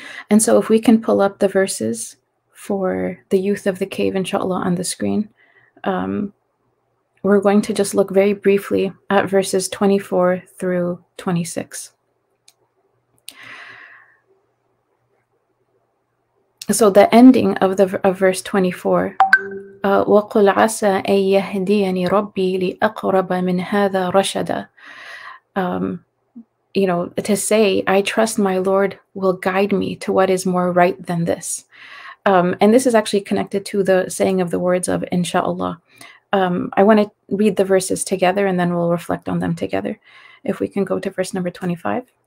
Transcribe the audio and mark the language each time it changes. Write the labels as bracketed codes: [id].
[en] And so if we can pull up the verses for the youth of the cave, inshallah, on the screen, we're going to just look very briefly at verses 24 through 26. So the ending of verse 24, [ar] وَقُلْ عَسَىٰ أَن يَهْدِيَنِ رَبِّي لِأَقْرَبَ مِنْ هَذَا رَشَدًا. [en] You know, to say, I trust my Lord will guide me to what is more right than this. And this is actually connected to the saying of the words of Insha'Allah. I want to read the verses together and then we'll reflect on them together. If we can go to verse number 25.